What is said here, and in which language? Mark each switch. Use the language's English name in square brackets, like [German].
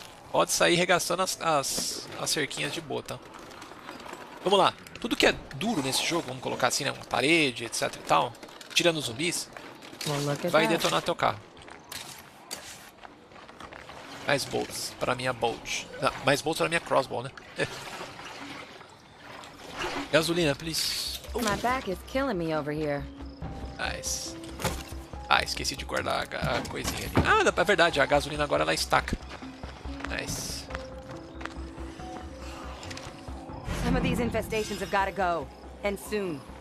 [Portuguese] Pode sair regaçando as cerquinhas de boa, tá? Vamos lá. Tudo que é duro nesse jogo, vamos colocar assim, né? Uma parede, etc e tal, tirando os zumbis, vai detonar teu carro. Mais bolts para minha bolt. Mais bolts para minha crossbow, né? Gasolina, please. [English] My back is killing me over here. Nice. [Portuguese] Ah, esqueci de guardar a coisinha ali. Ah, é verdade, a gasolina agora ela estaca. [English] Nice. Some of these infestations have got to go, and soon.